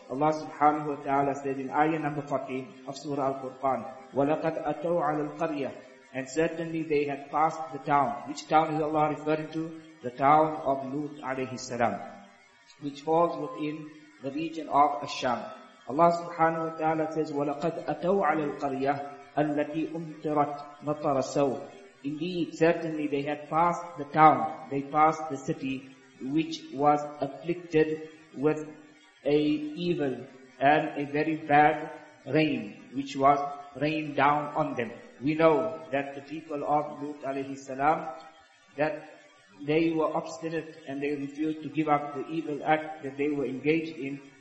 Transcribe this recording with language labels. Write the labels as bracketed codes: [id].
[en] Allah subhanahu wa ta'ala said in ayah number 14 of Surah Al-Qur'an, [ar] وَلَقَدْ أَتَوْ عَلَى الْقَرْيَةِ, [en] and certainly they had passed the town. Which town is Allah referring to? The town of Lut alayhi salam, which falls within the region of Ash-Sham. Allah subhanahu wa ta'ala says, [ar] وَلَقَدْ أَتَوْ عَلَى الْقَرْيَةِ الَّتِي أُمْتِرَتْ مَطَرَ السَّوْءِ. [en] Indeed, certainly they had passed the town, they passed the city which was afflicted with a evil and a very bad rain, which was rained down on them. We know that the people of Lut alayhi salam, that they were obstinate and they refused to give up the evil act that they were engaged in.